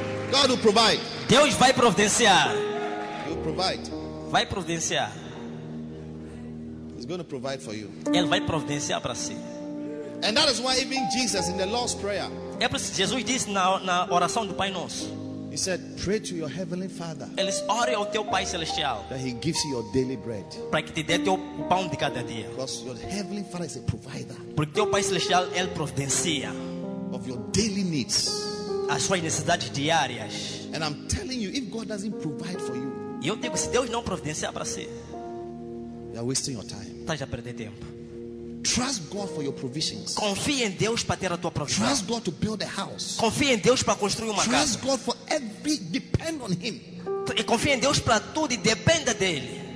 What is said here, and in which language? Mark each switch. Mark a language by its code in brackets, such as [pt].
[en] God will provide. [pt] Deus vai providenciar. [en] He will provide. [pt] Vai providenciar. [en] He's going to provide for you. [pt] Ele vai providenciar para si. [en] And that is why even Jesus in the Lord's Prayer. [pt] É por isso que Jesus diz na oração do Pai Nosso. [en] He said, "Pray to your heavenly Father." [pt] Ele diz, ore ao teu Pai Celestial. [en] That He gives you your daily bread. [pt] Para que te dê teu pão de cada dia. [en] Because your heavenly Father is a provider. [pt] Porque teu Pai Celestial ele providencia. [en] Of your daily needs. [pt] As suas necessidades diárias. [en] And I'm telling you, if God doesn't provide for you, [pt] eu digo, se Deus não providenciar para você, [en] you're wasting your time. [pt] Estás a perder tempo. [en] Trust God for your provisions. [pt] Confie em Deus para ter a tua provisão. [en] Trust God to build a house. [pt] Confie em Deus para construir uma [en] Trust Trust God for every depend on Him. [pt] E confie em Deus para tudo e dependa dele.